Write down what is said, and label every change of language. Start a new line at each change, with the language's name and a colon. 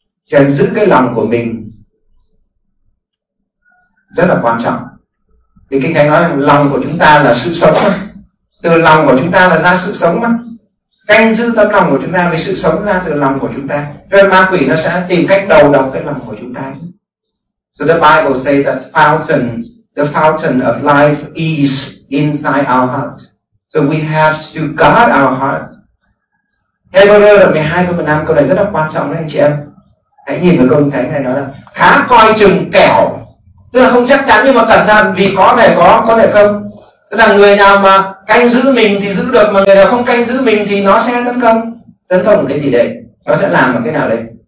Vietnamese: Cho nên giữ cái lòng của mình rất là quan trọng. Vì Kinh Thánh nói là lòng của chúng ta là sự sống mà. Từ lòng của chúng ta là ra sự sống mà. Canh giữ tấm lòng của chúng ta với sự sống ra từ lòng của chúng ta. Cho nên ma quỷ nó sẽ tìm cách đầu độc cái lòng của chúng ta.
English: So the Bible says that the fountain of life is inside our heart. So we have to guard our heart.
Vietnamese: Hebrews 12:5, câu này rất là quan trọng đấy anh chị em. Hãy nhìn vào câu Kinh Thánh này nói là khá coi chừng kẻo. Tức là không chắc chắn nhưng mà cẩn thận vì có thể không. Tức là người nào mà canh giữ mình thì giữ được, mà người nào không canh giữ mình thì nó sẽ tấn công. Tấn công cái gì đấy? Nó sẽ làm một cái nào đấy?